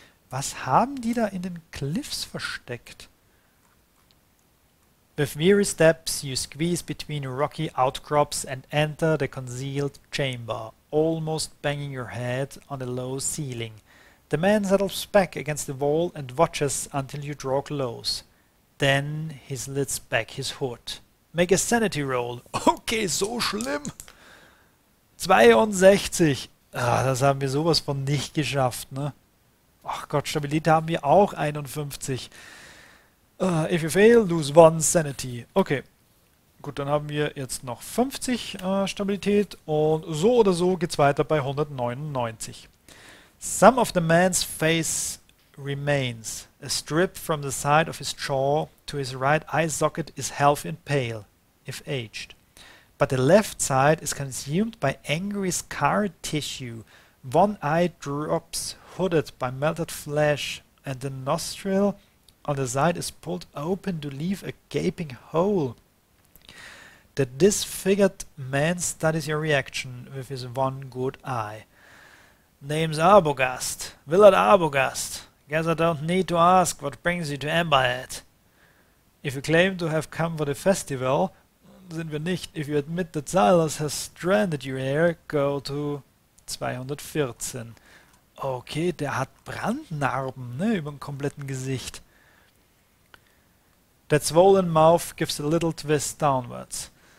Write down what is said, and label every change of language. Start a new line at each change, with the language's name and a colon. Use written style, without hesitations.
German: Was haben die da in den Cliffs versteckt?
English: With weary steps you squeeze between rocky outcrops and enter the concealed chamber, almost banging your head on the low ceiling. The man settles back against the wall and watches until you draw close. Then he slits back his hood. Make a sanity roll.
German: Okay, so schlimm. 62. Ah, das haben wir sowas von nicht geschafft, ne? Ach Gott, Stabilität haben wir auch 51.
English: If you fail, lose one sanity.
German: Okay. Gut, dann haben wir jetzt noch 50 Stabilität und so oder so geht's weiter bei 199.
English: Some of the man's face remains. A strip from the side of his jaw to his right eye socket is healthy and pale, if aged. But the left side is consumed by angry scar tissue. One eye drops hooded by melted flesh, and the nostril on the side is pulled open to leave a gaping hole. The disfigured man studies your reaction with his one good eye. Name's Arbogast. Willard Arbogast. Guess I don't need to ask what brings you to Amberhead. If you claim to have come for the festival,
German: sind wir nicht.
English: If you admit that Silas has stranded you here, go to 214.
German: Okay, der hat Brandnarben, ne, über dem kompletten Gesicht.
English: That swollen mouth gives a little twist downwards.